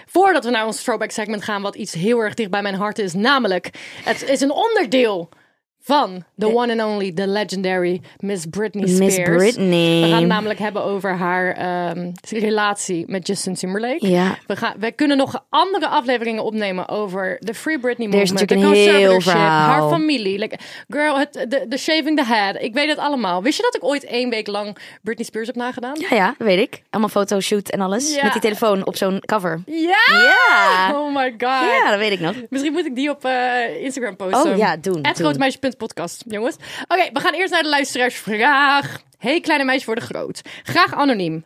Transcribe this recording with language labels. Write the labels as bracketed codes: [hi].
[nl] Voordat we naar ons throwback segment gaan, wat iets heel erg dicht bij mijn hart is, namelijk, het is een onderdeel van [en] the one and only, the legendary [nl] Miss Britney Spears. Miss Britney. We gaan het namelijk hebben over haar relatie met Justin Timberlake. Ja. We kunnen nog andere afleveringen opnemen over de Free Britney movement. Er is natuurlijk een heel verhaal. Haar familie. [en] Like, girl, the shaving the head. [nl] Ik weet het allemaal. Wist je dat ik ooit 1 week lang Britney Spears heb nagedaan? Ja, dat weet ik. Allemaal fotoshoot en alles. Ja. Met die telefoon op zo'n cover. Ja! [en] Yeah! Oh my god. [nl] Ja, dat weet ik nog. Misschien moet ik die op Instagram posten. Oh ja, doen. Podcast, jongens. Oké, we gaan eerst naar de luisteraarsvraag. Hey, kleine meisje worden groot. Graag anoniem.